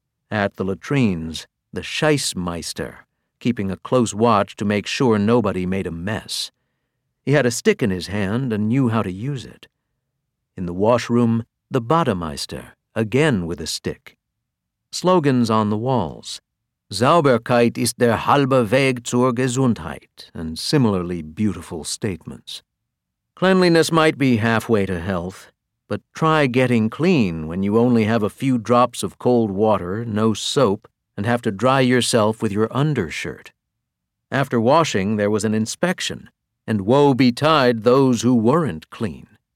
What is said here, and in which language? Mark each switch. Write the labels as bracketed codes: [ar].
[en] At the latrines, the Scheißmeister, keeping a close watch to make sure nobody made a mess. He had a stick in his hand and knew how to use it. In the washroom, the Bademeister, again with a stick. Slogans on the walls. [de] Sauberkeit ist der halbe Weg zur Gesundheit, [en] and similarly beautiful statements. Cleanliness might be halfway to health, but try getting clean when you only have a few drops of cold water, no soap, and have to dry yourself with your undershirt. After washing, there was an inspection, and woe betide those who weren't clean.